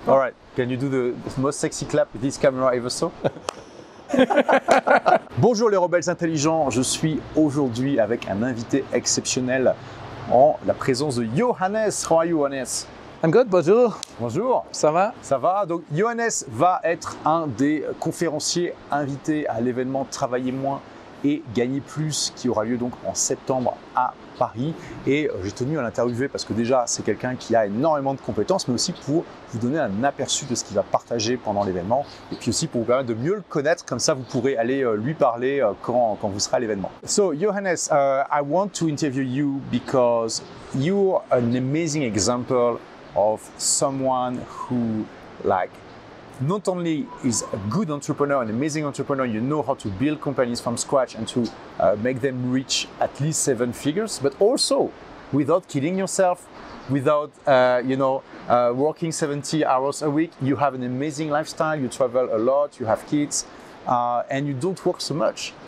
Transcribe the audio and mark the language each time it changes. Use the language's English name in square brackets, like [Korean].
[English] All right, can you do the most sexy clap this camera ever saw? [French] Bonjour les rebelles intelligents, je suis aujourd'hui avec un invité exceptionnel en la présence de Johannes. [English] How are you, Johannes? I'm good, bonjour. [French] Bonjour. Ça va? Ça va. Donc Johannes va être un des conférenciers invités à l'événement Travailler moins et gagner plus qui aura lieu donc en septembre à Paris. Et j'ai tenu à l'interviewer parce que déjà c'est quelqu'un qui a énormément de compétences, mais aussi pour vous donner un aperçu de ce qu'il va partager pendant l'événement, et puis aussi pour vous permettre de mieux le connaître, comme ça vous pourrez aller lui parler quand vous serez à l'événement. [English] So Johannes, I want to interview you because you're an amazing example of someone who like not only is a good entrepreneur, an amazing entrepreneur, you know how to build companies from scratch and to make them reach at least seven figures, but also without killing yourself, without, working 70 hours a week, you have an amazing lifestyle, you travel a lot, you have kids, and you don't work so much.